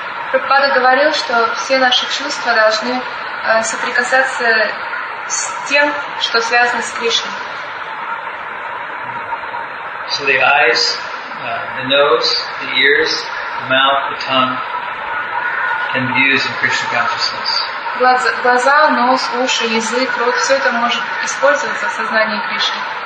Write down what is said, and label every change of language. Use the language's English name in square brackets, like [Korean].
[Russian] Прабхупада говорил, что все наши чувства должны соприкасаться с тем, что связано с Кришной. [English] So the eyes, the nose, the ears, the mouth, the tongue can be used in Krishna consciousness. [Russian] Глаза, нос, уши, язык, рот, все это может использоваться в сознании Кришны.